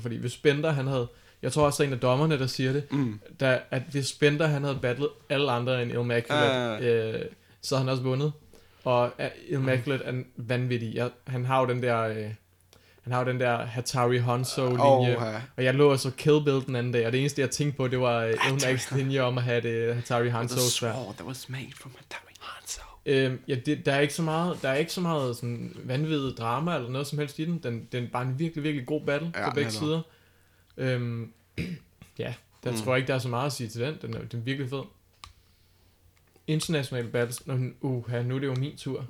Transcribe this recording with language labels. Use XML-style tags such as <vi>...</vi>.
<da>Fordi hvis Bender, han havde... Jeg tror også, en af dommerne, der siger det. At hvis Bender, han havde battlet alle andre end Ilmac, så han også vundet. Og Immaculate er vanvittig. Han har jo den der Hattori Hanzo linje. Og jeg lå så Kill Bill den anden dag, og det eneste jeg tænkte på, det var Immaculate linje om at have det Hattori Hanzo.</da> <en>The sword that was made from Hattori Hanzo.</en> <da>Der er ikke så meget sådan vanvittig drama eller noget som helst i den. Den er bare en virkelig, virkelig god battle på begge sider. Tror jeg ikke der er så meget at sige til den. Den er virkelig fed.</da> <en>International battles.</en> <da>Nu er det jo min tur.</da>